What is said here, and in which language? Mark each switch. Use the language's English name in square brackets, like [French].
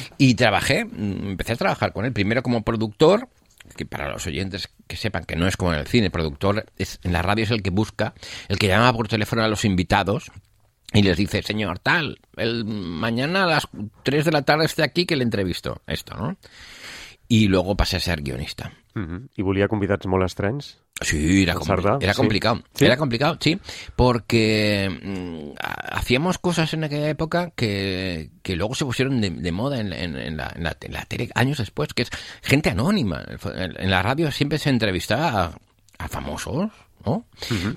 [Spanish] Y empecé a trabajar con él. Primero como productor, que para los oyentes que sepan que no es como en el cine, productor es en la radio es el que busca, el que llama por teléfono a los invitados. Y les dice, señor, tal, el mañana a las 3 de la tarde esté aquí que le entrevisto. Esto, ¿no? Y luego pasé a ser guionista. [Catalan] Uh-huh. ¿Y volía convidats molt estranys? [Spanish] Sí, era complicado. ¿Sí? Era complicado, sí. Porque hacíamos cosas en aquella época que luego se pusieron de moda en la tele años después, que es gente anónima. En la radio siempre se entrevistaba a famosos, ¿no? Uh-huh.